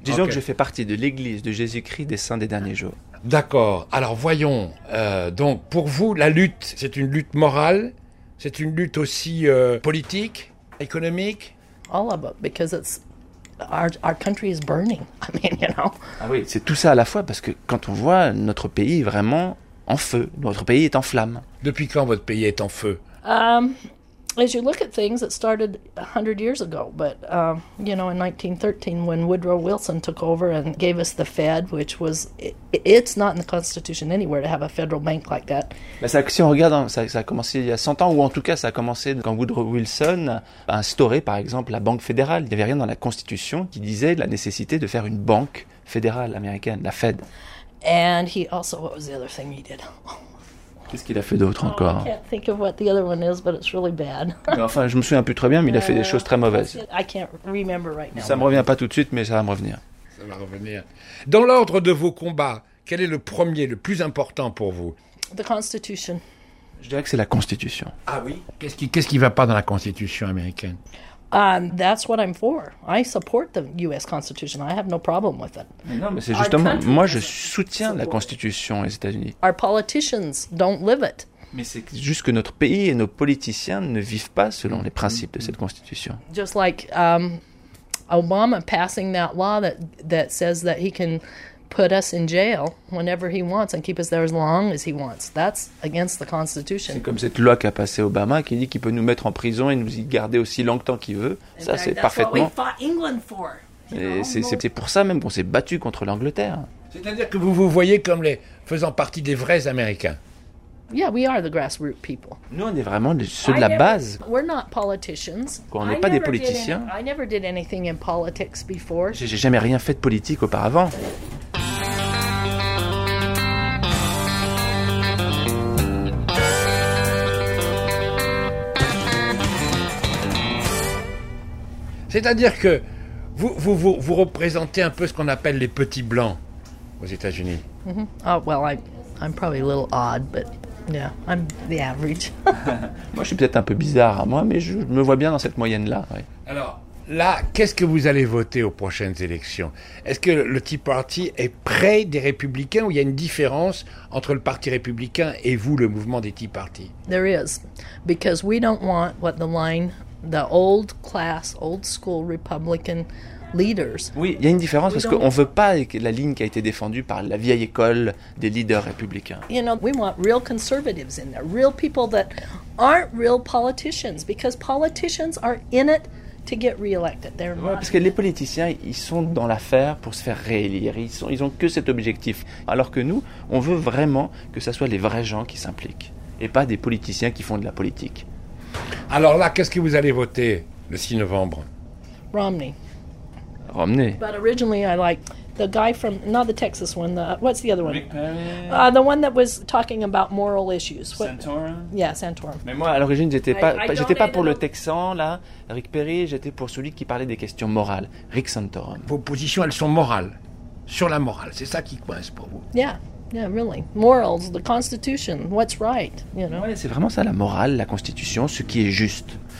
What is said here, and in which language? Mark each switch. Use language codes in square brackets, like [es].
[fr] Disons que je fais partie de l'église de Jésus-Christ des Saints des Derniers Jours. D'accord. Alors, voyons. Donc, pour vous, la lutte, c'est une lutte morale? C'est une lutte aussi politique, économique? [en] All of it, because it's our country is burning. I mean, you know. [fr] Ah oui, c'est tout ça à la fois, parce que quand on voit notre pays vraiment en feu, notre pays est en flamme. Depuis quand votre pays est en feu? [en] As you look at things, it started 100 years ago, but you know, in 1913, when Woodrow Wilson took over and gave us the Fed, which was, it's not in the Constitution anywhere to have a federal bank like that. [fr] Mais ça, si on regarde, ça a commencé il y a 100 ans, ou en tout cas, ça a commencé quand Woodrow Wilson a instauré, par exemple, la banque fédérale. Il n'y avait rien dans la Constitution qui disait la nécessité de faire une banque fédérale américaine, la Fed. [en] And he also, what was the other thing he did? [fr] Qu'est-ce qu'il a fait d'autre encore? [en] I can't think of what the other one is, but it's really bad. [fr] Enfin, je me souviens plus très bien, mais il a fait des choses très mauvaises. [en] I can't remember right now. [fr] Ça me revient pas tout de suite, mais ça va me revenir. Ça va revenir. Dans l'ordre de vos combats, quel est le premier, le plus important pour vous? [en] The Constitution. [fr] Je dirais que c'est la Constitution. Ah oui? Qu'est-ce qui va pas dans la Constitution américaine? [en] That's what I'm for. I support the U.S. Constitution. I have no problem with it. [fr] Non, mais c'est justement, moi je soutiens la Constitution aux États-Unis. [en] Our politicians don't live it. [fr] Mais c'est juste que notre pays et nos politiciens ne vivent pas selon les principes de cette Constitution. [en] Just like Obama passing that law that says that he can put us in jail whenever he wants and keep us there as long as he wants. That's against the Constitution. [fr] C'est comme cette loi qu'a passé Obama qui dit qu'il peut nous mettre en prison et nous y garder aussi longtemps qu'il veut. Ça, [en] that's [fr] c'est parfaitement. [en] What we fought England for, [fr] et c'est pour ça même qu'on s'est battu contre l'Angleterre. C'est-à-dire que vous voyez comme les faisant partie des vrais Américains. [en] Yeah, we are the grassroots people. [fr] Nous, on est vraiment ceux de la base. [en] We're not politicians. [fr] Quoi, on n'est pas des politiciens. [en] I never did anything in politics before. [fr] J'ai jamais rien fait de politique auparavant. C'est-à-dire que vous représentez un peu ce qu'on appelle les petits blancs aux États-Unis. Mm-hmm. [en] Oh, well, I'm probably a little odd, but yeah, I'm the average. [fr] Moi, je suis peut-être un peu bizarre, moi, mais je me vois bien dans cette moyenne-là. Ouais. Alors, là, qu'est-ce que vous allez voter aux prochaines élections? Est-ce que le Tea Party est près des républicains ou il y a une différence entre le Parti républicain et vous, le mouvement des Tea Party? [en] There is, because we don't want what the line... The old class, old school Republican leaders. [fr] Oui, il y a une différence parce qu'on ne veut pas la ligne qui a été défendue par la vieille école des leaders républicains. [en] You know, we want real conservatives in there, real people that aren't real politicians, because politicians are in it to get reelected. They're [fr] ouais, parce que les politiciens, ils sont dans l'affaire pour se faire réélire. Ils ont que cet objectif. Alors que nous, on veut vraiment que ce soit les vrais gens qui s'impliquent et pas des politiciens qui font de la politique. Alors là, qu'est-ce que vous allez voter le 6 novembre? [en] Romney. [fr] Romney. [en] But originally I like the guy from not the Texas one, what's the other one? Rick Perry. The one that was talking about moral issues. What? Santorum. Yeah, Santorum. [fr] Mais moi à l'origine, j'étais pas pour le Texan là, Rick Perry, j'étais pour celui qui parlait des questions morales, Rick Santorum. Vos positions, elles sont morales. Sur la morale, c'est ça qui coince pour vous. [en] Yeah. Yeah, really. Morals, the Constitution, what's right, you know. [fr] Ouais, c'est vraiment ça, la morale, la Constitution, ce qui est juste.